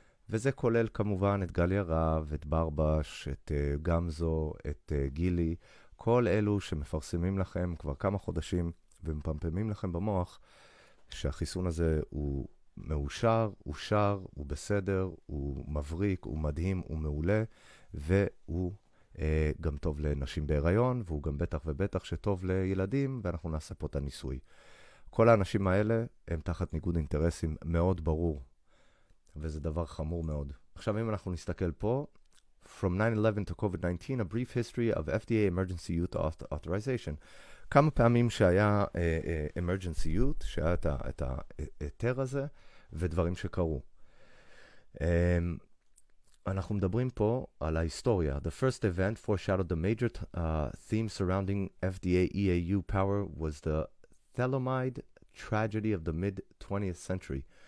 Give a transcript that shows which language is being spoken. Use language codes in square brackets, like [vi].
[he] וזה כולל כמובן את גליה רב, את ברבש, את גמזו, את גילי, כל אלו שמפרסמים לכם כבר כמה חודשים ומפמפמים לכם במוח שהחיסון הזה הוא מאושר, הוא שר, הוא בסדר, הוא מבריק, הוא מדהים, הוא מעולה, והוא גם טוב לנשים בהיריון, והוא גם בטח ובטח שטוב לילדים, ואנחנו נעשה פה את הניסוי. כל האנשים האלה הם תחת ניגוד אינטרסים מאוד ברור, וזה דבר חמור מאוד. עכשיו אם אנחנו נסתכל פה, [en] From 9-11 to COVID-19, a brief history of FDA emergency use authorization. [he] כמה פעמים שהיה [en] emergency use, [he] שהיה את ההיתר הזה, ודברים שקרו. אנחנו מדברים פה על ההיסטוריה. [en] The first event foreshadowed the major theme surrounding FDA EAU power was the thalidomide tragedy of the mid-20th century.